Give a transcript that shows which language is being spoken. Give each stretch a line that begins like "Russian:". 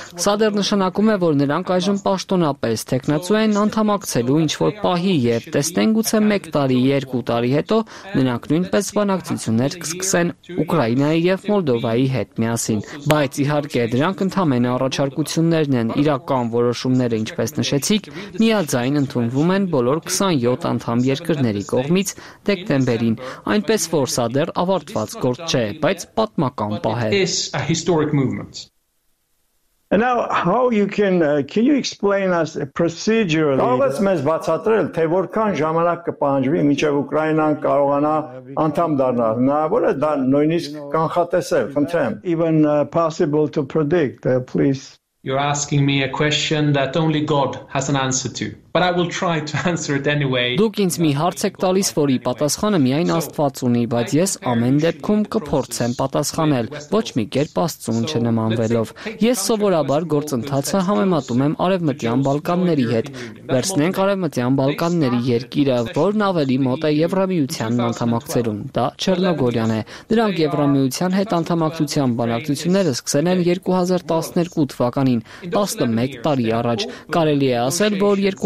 Armenian: Սա դեռ նշանակում է, որ նրանք այժմ պաշտոնապես տեխնացու են անդամակցելու ինչ որ պահի եւ տեսնեն գուցե 1 տարի, 2 տարի հետո նրանք նույնպես բանակցություններ կսկսեն Ուկրաինայի եւ Մոլդովայի հետ միասին։ Բայց իհարկե դրանք ընդհանրապես առաջարկություններն են, իրական որոշումները, ինչպես նշեցիք, միաձայն ընդունվում են որ 27 անդամ երկրների կողմից դեկտեմբերին, այնպես որ սա դեռ ավարտված գործ չէ, բայց պատմական պահ է։
English: And now how you can you explain us procedurally?
Armenian: Ո՞վս մեզ բացատրել, թե որքան ժամանակ կպահանջվի, մինչև Ուկրաինան կարողանա անդամ դառնալ։ Հնարավոր է դա նույնիսկ կանխատեսել, խնդրեմ։
English: Even possible to predict, please. You're asking me a question that only God has an answer to, but I will try to answer it anyway.
Armenian: Դուք ինձ մի հարց եք տալիս, որի պատասխանը միայն Աստված ունի, բայց ես ամեն դեպքում կփորձեմ պատասխանել, ոչ մի կերպ Աստծուն չնմանվելով։ Ես սովորաբար գործընթացը համեմատում եմ Արևմտյան Բալկանների հետ։ Վերցնենք Արևմտյան Բալկանների երկիրը, որն ավելի մոտ է Եվրամիությանն անդամակցելուն, դա Չեռնոգորիան է։ Նրանք Եվրամիության հետ անդամակցության բանակցությունները սկսել են 2012 թվականին, 11 տարի առաջ։ Կարելի է ասել, որ